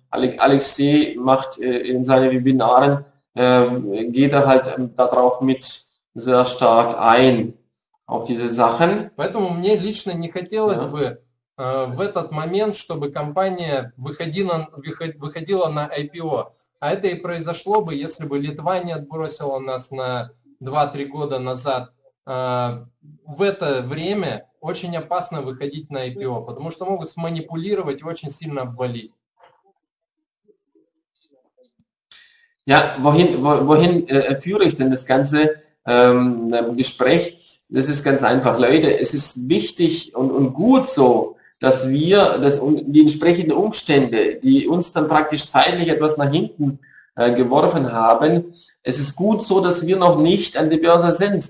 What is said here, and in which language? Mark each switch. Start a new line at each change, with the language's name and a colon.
German: Alexei macht in seinen Webinaren, geht er halt darauf mit sehr stark ein, auf diese Sachen.
Russian: Поэтому мне лично не хотелось бы в этот момент, чтобы компания выходила на IPO. А это и произошло бы, если бы Литва не отбросила нас на 2-3 года назад. В это время очень опасно выходить на IPO, потому что могут сманипулировать и очень сильно обвалить.
German: Ja, wohin führe ich denn das ganze Gespräch? Das ist ganz einfach, Leute. Es ist wichtig und gut so, dass wir die entsprechenden Umstände, die uns dann praktisch zeitlich etwas nach hinten geworfen haben, es ist gut so, dass wir noch nicht an der Börse sind.